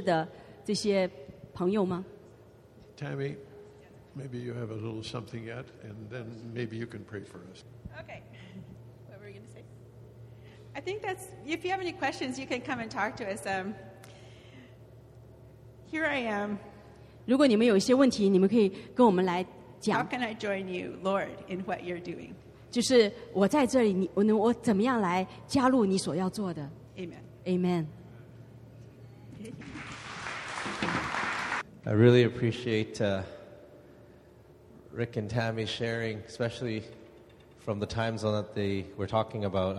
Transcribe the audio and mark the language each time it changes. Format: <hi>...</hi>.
<zh>所以你们有没有有机会看到那些在家庭教会服侍的这些朋友吗？</zh> <en>Tammy, maybe you have a little something yet, and then maybe you can pray for us. Okay. What were you going to say? I think that's, if you have any questions, you can come and talk to us. Here I am.</en> <zh>如果你们有一些问题，你们可以跟我们来讲。</zh> <en>How can I join you, Lord, in what you're doing?</en> <zh>就是我在这里，我怎么样来加入你所要做的？</zh> <en>Amen. Amen. I really appreciate Rick and Tammy sharing, especially from the time zone that they were talking about.</en>